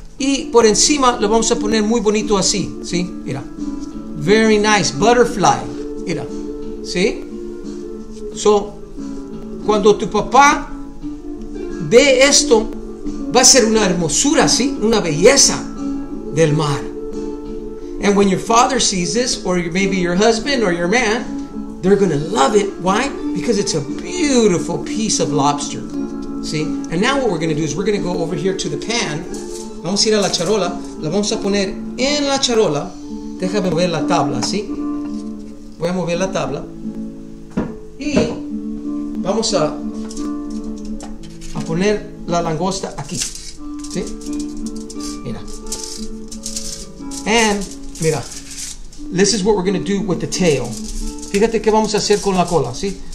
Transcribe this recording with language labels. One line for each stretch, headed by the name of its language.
Spanish: Y por encima lo vamos a poner muy bonito así. ¿Sí? Mira.
English: Very nice. Butterfly.
Spanish: Mira. ¿Sí? So, cuando tu papá ve esto, va a ser una hermosura, ¿sí? Una belleza del mar.
English: And when your father sees this, or maybe your husband or your man, they're going to love it. Why? Because it's a beautiful piece of lobster. See? And now what we're going to do is we're going to go over here to the pan.
Spanish: Vamos a ir a la charola.
English: La vamos a poner en la charola.
Spanish: Déjame mover la tabla, ¿sí? Voy a mover la tabla. Y vamos a poner la langosta aquí, ¿sí? Mira. And, mira.
English: This is what we're going to do with the tail.
Spanish: Fíjate qué vamos a hacer con la cola, ¿sí?